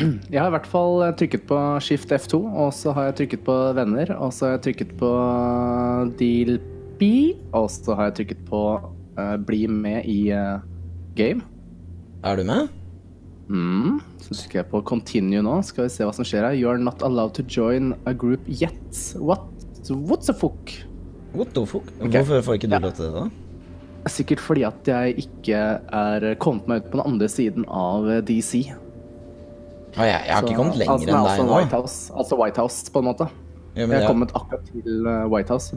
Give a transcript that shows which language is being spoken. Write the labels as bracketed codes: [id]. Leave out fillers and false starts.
[no] Jeg har i hvert fall trykket på Shift F2, og så har jeg trykket på venner, og så har jeg trykket på Deal B, og så har jeg trykket på bli med i game. Er du med? Så trykker jeg på continue nå. Skal vi se hva som skjer her. [en] You are not allowed to join a group yet. What the fuck? Okay. [no] Hvorfor får ikke du lov til det da? Sikkert fordi at jeg ikke er kommet meg ut på den andre siden av DC. Jeg har ikke kommet lenger enn deg nå. Altså White House på en måte. Ja, jeg har kommet akkurat til White House.